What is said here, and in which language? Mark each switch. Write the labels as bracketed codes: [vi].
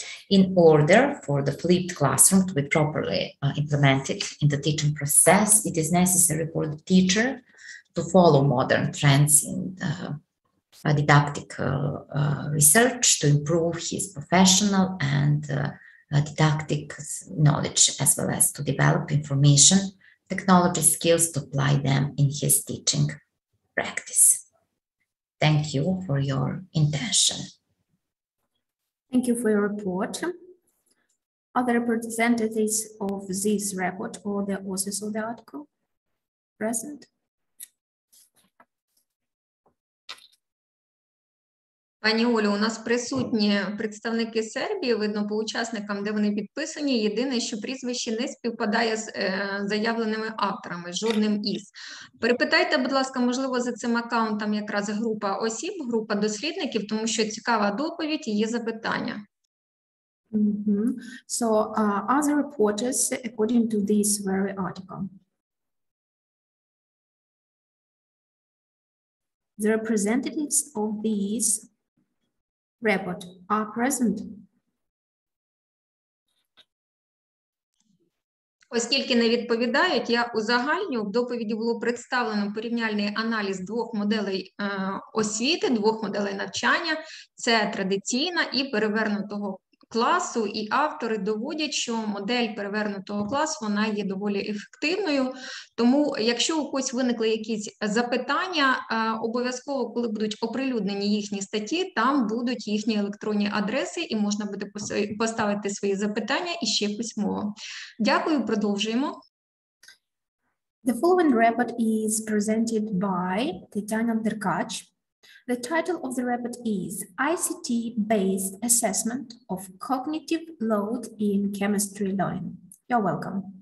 [en] In order for the flipped classroom to be properly implemented in the teaching process, it is necessary for the teacher to follow modern trends in didactical research to improve his professional and didactic knowledge, as well as to develop information technology skills to apply them in his teaching practice. Thank you for your attention. Thank you for your report. Other representatives of this report or the authors of the article present? [uk] Пані Олю, у нас присутні представники Сербії, видно по учасникам, де вони підписані. Єдине, що прізвище не співпадає з заявленими авторами, жодним із. Перепитайте, будь ласка, можливо, за цим аккаунтом якраз група осіб, група дослідників, тому що цікава доповідь і є запитання. Mm-hmm. [en] So, other reporters, according to this very article. The representatives of these report are present. [uk] Оскільки не відповідають, я узагальню. В доповіді було представлено порівняльний аналіз двох моделей освіти, двох моделей навчання. Це традиційна і перевернутого класу. І автори доводять, що модель перевернутого класу, вона є доволі ефективною. Тому, якщо у когось виникли якісь запитання, обов'язково, коли будуть оприлюднені їхні статті, там будуть їхні електронні адреси і можна буде поставити свої запитання і ще письмово. Дякую, продовжуємо. [en] The following report is presented by Tetyana Derkach. The title of the report is ICT-based assessment of cognitive load in chemistry learning. You're welcome.